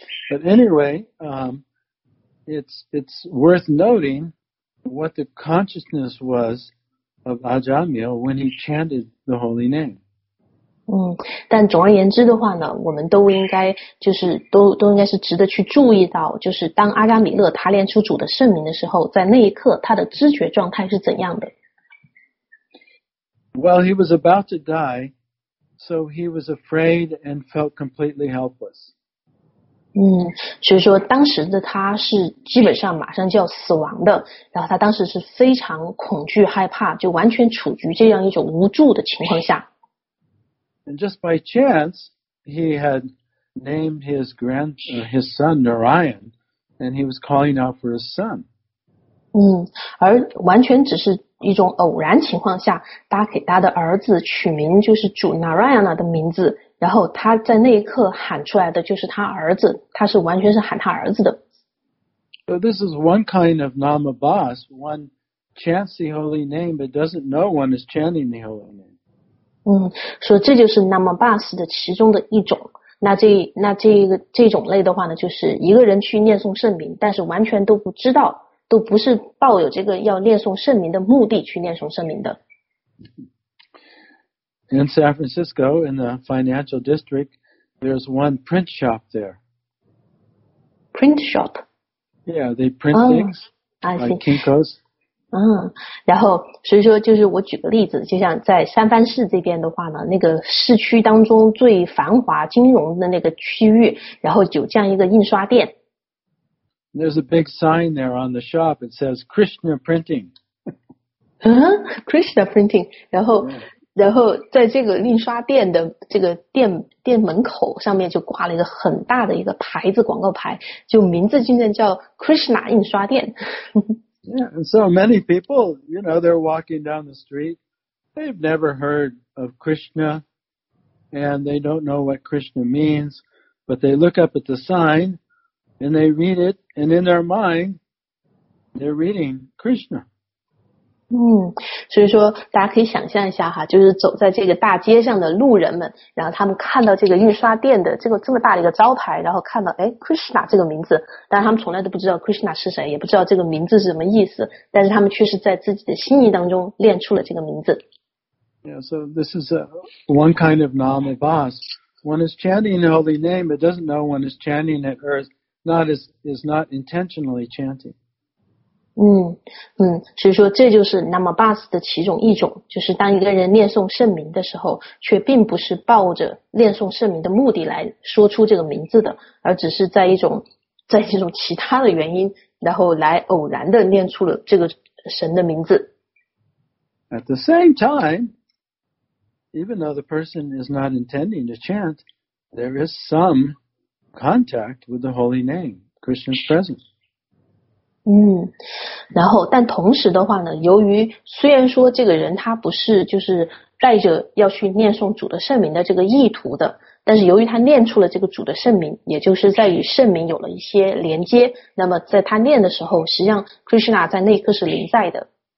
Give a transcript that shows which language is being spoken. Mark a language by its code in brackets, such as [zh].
[en] But anyway, it's worth noting what the consciousness was of Ajahn Mill when he chanted the holy name. [zh] 但总而言之的话呢，我们都应该就是都应该是值得去注意到，就是当阿加米勒他念出主的圣名的时候，在那一刻他的知觉状态是怎样的。 [en] Well, he was about to die, so he was afraid and felt completely helpless. [zh] 所以说当时的他是基本上马上就要死亡的，然后他当时是非常恐惧害怕，就完全处于这样一种无助的情况下。 [en] And just by chance, he had named his son Narayan, and he was calling out for his son. [zh] 而完全只是一种偶然情况下，他给他的儿子取名就是主 Narayana 的名字，然后他在那一刻喊出来的就是他儿子，他是完全是喊他儿子的。 [en] So this is one kind of namabhas. One chants the holy name, but doesn't know one is chanting the holy name. [zh] 所以这就是 Namabhas 的其中的一种，那这种类的话呢，就是一个人去念诵圣名，但是完全都不知道，都不是抱有这个要念诵圣名的目的去念诵圣名的。 [en] In San Francisco, in the financial district, there's one print shop there. Print shop? Yeah, they print things. Like Kinko's. [zh] 然后所以说就是我举个例子，就像在三藩市这边的话呢，那个市区当中最繁华金融的那个区域，然后就这样一个印刷店。 [en] There's a big sign there on the shop. It says Krishna Printing. Krishna Printing. [zh] 然后、 [en] yeah. [zh] 然后在这个印刷店的这个店门口上面就挂了一个很大的一个牌子，广告牌，就名字竟然叫 Krishna 印刷店。 [en] Yeah, and so many people, you know, they're walking down the street. They've never heard of Krishna, and they don't know what Krishna means. But they look up at the sign, and they read it, and in their mind, they're reading Krishna. [zh] 所以说大家可以想象一下哈，就是走在这个大街上的路人们，然后他们看到这个印刷店的这么大的一个招牌，然后看到哎 Krishna 这个名字，但他们从来都不知道 Krishna 是谁，也不知道这个名字是什么意思，但是他们却是在自己的心意当中练出了这个名字。 [en] Yeah, so this is one kind of namabhas. One is chanting the holy name, but doesn't know one is chanting at earth, is not intentionally chanting. [zh] 所以说这就是 Namabhas 的其中一种，就是当一个人念诵圣名的时候，却并不是抱着念诵圣名的目的来说出这个名字的，而只是在一种其他的原因，然后来偶然的念出了这个神的名字。 [en] At the same time, even though the person is not intending to chant, there is some contact with the holy name, Krishna's presence. [zh] 然后但同时的话呢，由于虽然说这个人他不是就是带着要去念诵主的圣名的这个意图的，但是由于他念出了这个主的圣名，也就是在与圣名有了一些连接，那么在他念的时候，实际上 Krishna 在那一刻是临在的。